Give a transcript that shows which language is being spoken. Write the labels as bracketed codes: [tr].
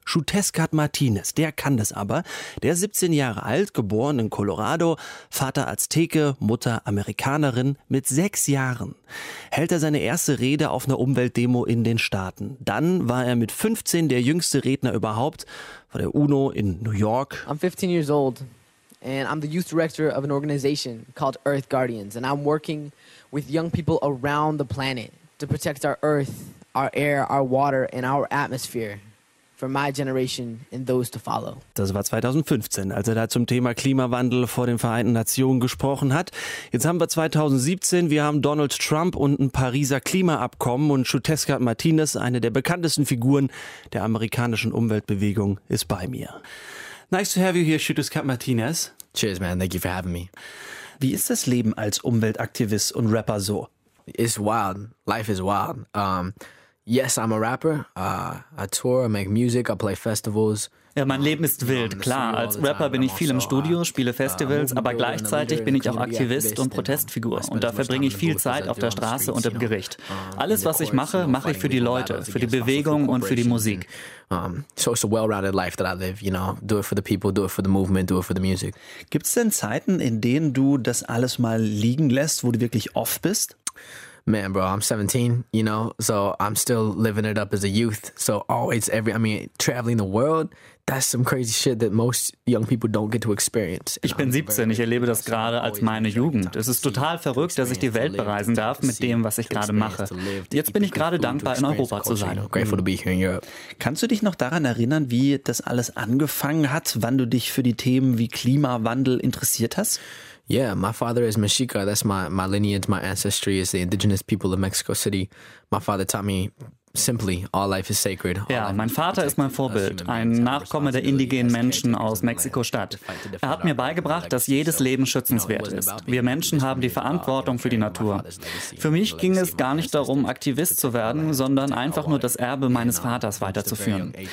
[de] Shuteskat Martinez, der kann das aber. Der ist 17 Jahre alt, geboren in Colorado, Vater Azteke, Mutter Amerikanerin mit 6 Jahren. Hält er seine erste Rede auf einer Umweltdemo in den Staaten. Dann war er mit 15 der jüngste Redner überhaupt vor der UNO in New York. [en] I'm 15 years old. And I'm the youth director of an organization called Earth Guardians. And I'm working with young people around the planet to protect our earth, our air, our water and our atmosphere for my generation and those to follow. [de] Das war 2015, als er da zum Thema Klimawandel vor den Vereinten Nationen gesprochen hat. Jetzt haben wir 2017, wir haben Donald Trump und ein Pariser Klimaabkommen. Und Shuteskat Martinez, eine der bekanntesten Figuren der amerikanischen Umweltbewegung, ist bei mir. [en] Nice to have you here, Shuteskat Martinez. Cheers, man. Thank you for having me. [de] Wie ist das Leben als Umweltaktivist und Rapper so? [en] It's wild. Life is wild. Yes, I'm a rapper. I tour, I make music, I play festivals. [de] Ja, mein Leben ist wild, klar. Als Rapper bin ich viel im Studio, spiele Festivals, aber gleichzeitig bin ich auch Aktivist und Protestfigur. Und da verbringe ich viel Zeit auf der Straße und im Gericht. Alles, was ich mache, mache ich für die Leute, für die Bewegung und für die Musik. [en] So it's a well-rounded life that I live, you know. Do it for the people, do it for the movement, do it for the music. [de] Gibt es denn Zeiten, in denen du das alles mal liegen lässt, wo du wirklich off bist? [en] Man, bro, I'm 17, you know, so I'm still living it up as a youth. So always traveling the world, that's some crazy shit that most young people don't get to experience. [de] Ich bin 17, ich erlebe das gerade als meine Jugend. Es ist total verrückt, dass ich die Welt bereisen darf mit dem, was ich gerade mache. Jetzt bin ich gerade dankbar, in Europa zu sein. [en] Grateful to be here in Europe. [de] Kannst du dich noch daran erinnern, wie das alles angefangen hat, wann du dich für die Themen wie Klimawandel interessiert hast? [en] Yeah, my father is Mexica. That's my lineage, my ancestry is the indigenous people of Mexico City. My father taught me simply, all life is sacred. [de] Ja, mein Vater ist mein Vorbild, ein Nachkomme der indigenen Menschen aus Mexiko-Stadt. Er hat mir beigebracht, dass jedes Leben schützenswert ist. Wir Menschen haben die Verantwortung für die Natur. Für mich ging es gar nicht darum, Aktivist zu werden, sondern einfach nur das Erbe meines Vaters weiterzuführen.